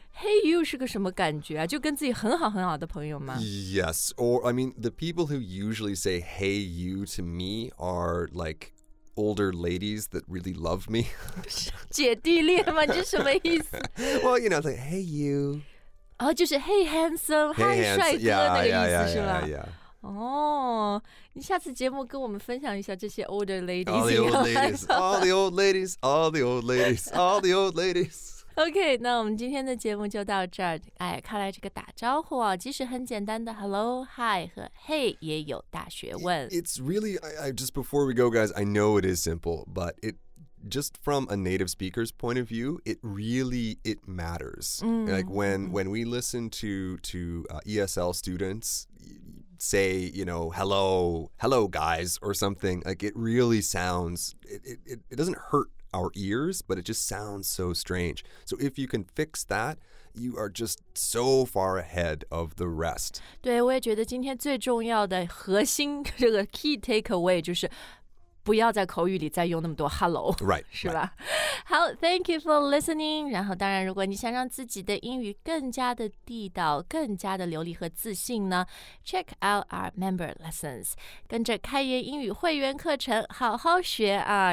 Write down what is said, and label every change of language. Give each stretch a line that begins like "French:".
Chinese: Hey you 是个什么感觉啊？就跟自己很好很好的朋友吗
English: ？Yes. Or I mean, the people who usually say hey you to me are like. Older ladies that really love me.
Chinese: 姐弟恋吗？这什么意思
English: ？Well, you know, like hey you.
Chinese: 哦，就是
English: hey handsome, hey hi, handsome,
Chinese: 帅哥
English: yeah,
Chinese: 那个意思
English: yeah, yeah,
Chinese: 是吧？
English: Yeah, yeah.
Chinese: 哦，你下次节目跟我们分享一下这些
English: older ladies. All the old ladies, all the old ladies, all the old ladies, all the old ladies.
Chinese: OK, 那我们今天的节目就到这儿。哎，看来这个打招呼啊，即使很简单的 hello, hi 和 hey 也有大学问。
English: It's really, I just before we go, guys, I know it is simple, but it just from a native speaker's point of view, it really matters. Like when we listen to ESL students say, you know, hello guys or something, like it really sounds, it doesn't hurt. Our ears, but it just sounds so strange. So if you can fix that, you are just so far ahead of the rest.
Chinese: 对，我也觉得今天最重要的核心这个 key takeaway 就是不要在口语里再用那么多 hello，
English: right, 是吧？Right. 好 ，thank you for listening。
Chinese: 然后，当然，如果你想让自己的英语更加的地道、更加的流利和自信呢 ，
English: check out our member lessons，
Chinese: 跟着开言英语会员课程好好学啊。